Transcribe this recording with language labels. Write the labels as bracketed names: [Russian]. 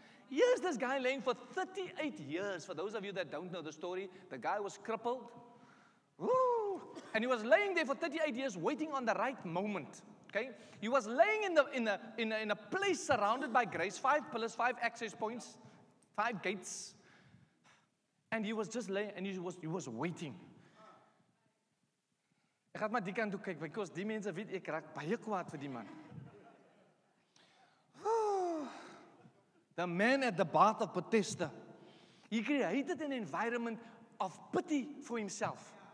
[English] Here's this guy laying for 38 years. For those of you that don't know the story, the guy was crippled. Woo! And he was laying there for 38 years waiting on the right moment. Okay? He was laying in a place surrounded by grace, 5 pillars, 5 access points, 5 gates. And he was just laying, and he was waiting. [Afrikaans] Ek gaan maar die kant toe kyk, because die mense weet ek raak baie kwaad vir die man. [English] The man at the bath of Bethesda, he created an environment of pity for himself.